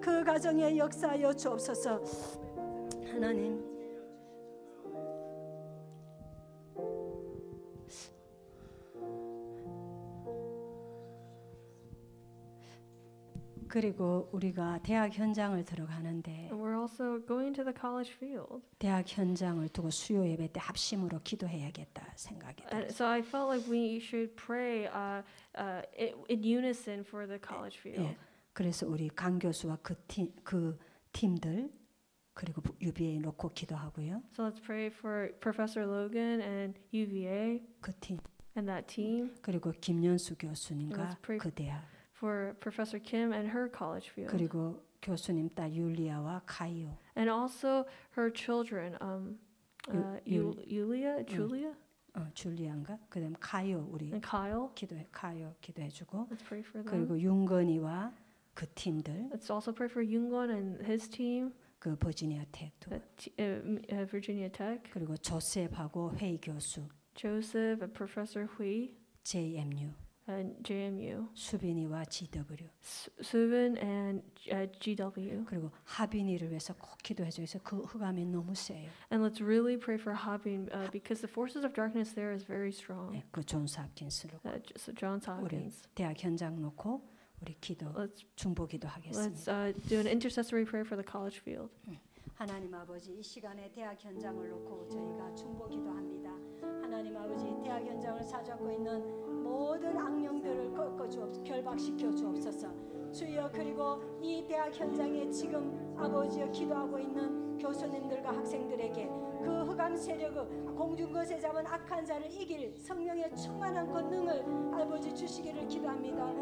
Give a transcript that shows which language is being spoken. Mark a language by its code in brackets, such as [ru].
[ko] 그 가정에 역사하여 주옵소서. 하나님, 그리고 우리가 대학 현장을 들어가는데 [en] we're also going to the college field. [ko] 대학 현장을 두고 수요 예배 때 합심으로 기도해야겠다 생각이 들었어요. [en] So I felt like we should pray in unison for the college field. [ko] 예, 그래서 우리 강 교수와 그 팀, 그 팀들 그리고 UVA 놓고 기도하고요. [en] So let's pray for Professor Logan and UVA [ko] 그 팀. [en] And that team. [ko] 그리고 김연수 교수님과 그 대학 [en] for Professor Kim and her college field. [ko] 그리고 교수님 딸 율리아와 카이오. [en] And also her children, Julia, Julia. [ko] 줄리안가. 그다음 카이오 우리. [en] And Kyle. [ko] 기도해, 카이오 기도해주고. [en] Let's pray for them. [ko] 그리고 윤건이와 그 팀들. [en] Let's also pray for Yoongeon and his team. [ko] 그 버지니아 테크도. [en] Virginia Tech. [ko] 그리고 조셉하고 회이 교수. [en] Joseph, Professor Hui. JMU. And JMU. [ko] 수빈이와 GW. [en] Suvin and GW. [ko] 그리고 하빈이를 위해서 꼭 기도해 주세요. 그 흑암이 너무 세요. [en] And let's really pray for Haebin because the forces of darkness there is very strong. [ko] 네, 그 존 삽킨스로. [en] So Johns Hopkins. [ko] 우리 대학 현장 놓고 우리 기도 중보 기도하겠습니다. [en] Let's do an intercessory prayer for the college field. [ko] 하나님 아버지 이 시간에 대학 현장을 놓고 저희가 중보 기도합니다. 하나님 아버지 대학 현장을 사잡고 있는 모든 악령들을 꺾어주옵소서, 결박시켜 주옵소서. 주여, 그리고 이 대학 현장에 지금 아버지여 기도하고 있는 교수님들과 학생들에게 그 흑암 세력을 공중것에 잡은 악한 자를 이길 성령의 충만한 권능을 아버지 주시기를 기도합니다.